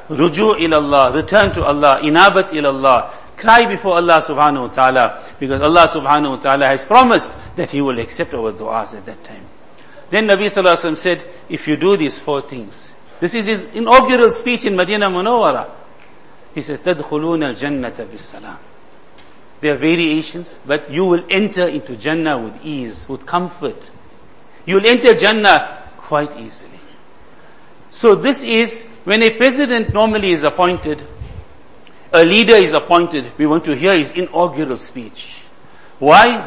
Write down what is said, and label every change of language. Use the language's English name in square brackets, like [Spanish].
[English] Ruju ila Allah, return to Allah, inabat ila Allah. Cry before Allah subhanahu wa ta'ala, because Allah subhanahu wa ta'ala has promised that He will accept our du'as at that time. Then Nabi sallallahu alayhi wa sallam said, if you do these four things, this is his inaugural speech in Madinah Munawwara. He says, [Arabic] تَدْخُلُونَ الْجَنَّةَ بِالسَّلَامِ. [English] There are variations, but you will enter into Jannah with ease, with comfort. You'll enter Jannah quite easily. So this is, when a president normally is appointed, a leader is appointed, we want to hear his inaugural speech. Why?